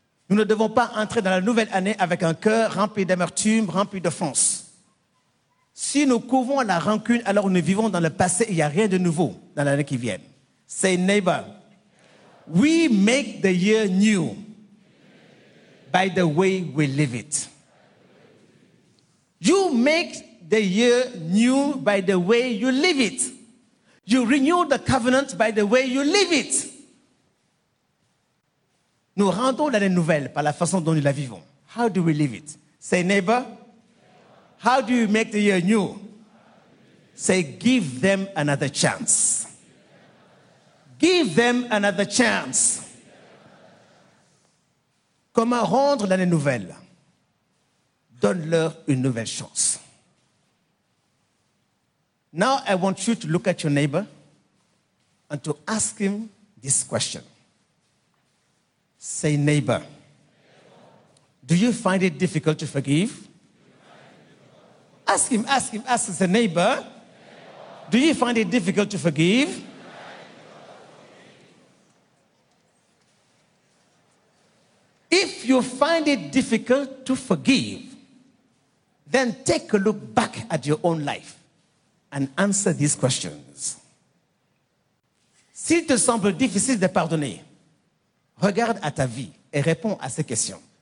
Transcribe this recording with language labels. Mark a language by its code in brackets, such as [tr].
[fr] Nous ne devons pas entrer dans la nouvelle année avec un cœur rempli d'amertume, rempli d'offense. Si nous couvons la rancune, alors nous vivons dans le passé, il n'y a rien de nouveau dans l'année qui vient. [en] Say, neighbor, we make the year new by the way we live it. You make the year new by the way you live it. You renew the covenant by the way you live it. [fr] Nous rendons l'année nouvelle par la façon dont nous la vivons. [en] How do we live it? Say, neighbor, how do you make the year new? Say, give them another chance. Give them another chance. [fr] Comment rendre l'année nouvelle? Donne-leur une nouvelle chance. [en] Now I want you to look at your neighbor and to ask him this question. Say, neighbor, do you find it difficult to forgive? Ask him, say, neighbor, do you find it difficult to forgive? If you find it difficult to forgive, then take a look back at your own life and answer these questions. [fr] S'il te semble difficile de pardonner, regarde à ta vie et réponds à ces questions.